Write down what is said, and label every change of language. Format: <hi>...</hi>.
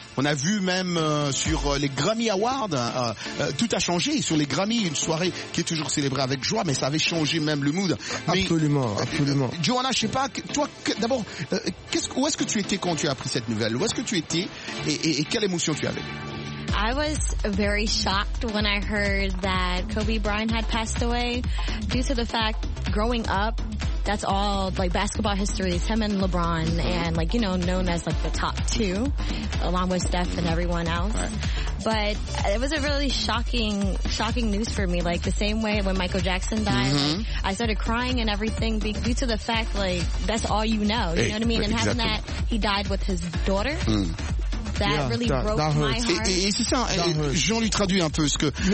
<fr>On a vu même sur les Grammy Awards, tout a changé sur les Grammy, une soirée qui est toujours célébrée avec joie, mais ça avait changé même le mood. Absolument. Johanna, je sais pas, toi, d'abord, où est-ce que tu étais quand tu as appris cette nouvelle? Où est-ce que tu étais et quelle émotion tu avais?</fr> <en>I was very shocked when I heard that Kobe Bryant had passed away due to the fact growing up, that's all like basketball history. It's him and LeBron and like, you know, known as like the top two along with Steph and everyone else. Right. But it was a really shocking news for me. Like the same way when Michael Jackson died, I started crying and everything due to the fact like that's all you know. You know what I mean? Exactly. And having that he died with his daughter. That yeah, really that broke that my heart.</en> <fr>Et c'est ça, Jean lui traduit un peu ce que...</fr>